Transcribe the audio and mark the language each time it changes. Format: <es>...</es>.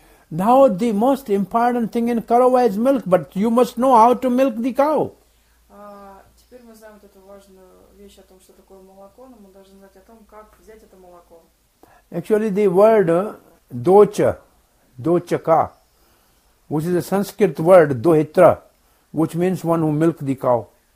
<en>Now the most important thing in Karava is milk, but you must know how to milk the cow.</en> <ru>Теперь мы знаем вот эту важную вещь о том, что такое молоко, но мы должны знать о том, как взять это молоко.</ru> <en>Actually, the word docha, dochaka, which is a Sanskrit word dohitra, which means one who milk the cow.</en>